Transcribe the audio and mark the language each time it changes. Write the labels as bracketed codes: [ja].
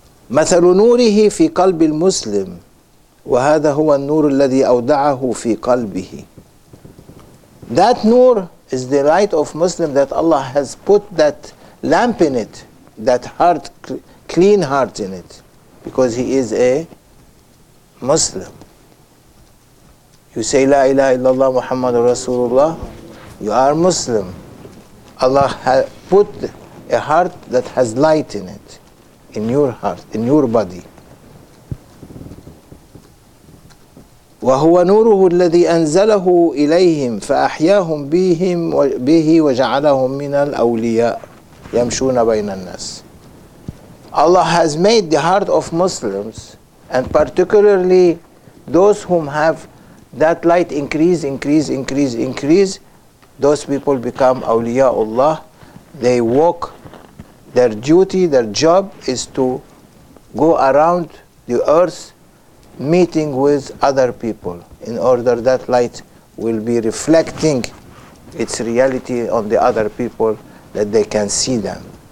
[ar] مثل نوره في قلب المسلم وهذا هو النور الذي أودعه في قلبه. [en] That nur is the light of Muslim that Allah has put that lamp in it, that heart, clean heart in it, because he is a Muslim. You say La ilaha illallah Muhammadur Rasulullah, you are Muslim. Allah has put a heart that has light in it, in your heart, in your body. [ar] وهو نوره الذي أنزله إليهم فأحياهم بهم به وجعلهم من الأولياء يمشون بين الناس. [en] Allah has made the heart of Muslims, and particularly those whom have that light increase, those people become awliya Allah. They walk, their duty, their job is to go around the earth meeting with other people in order that light will be reflecting its reality on the other people that they can see them.